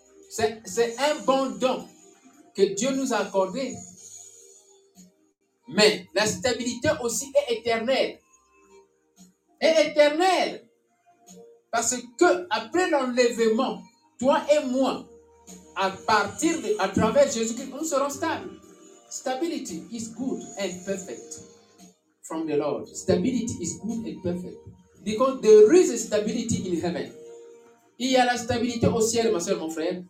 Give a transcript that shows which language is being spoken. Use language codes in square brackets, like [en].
[fr] C'est un bon don que Dieu nous a accordé. Mais la stabilité aussi est éternelle. Est éternelle. Parce que après l'enlèvement, toi et moi, à travers Jésus-Christ, nous serons stables. [en] Stability is good and perfect from the Lord. Stability is good and perfect. Because there is a stability in heaven. [fr] Il y a la stabilité au ciel, ma soeur, mon frère.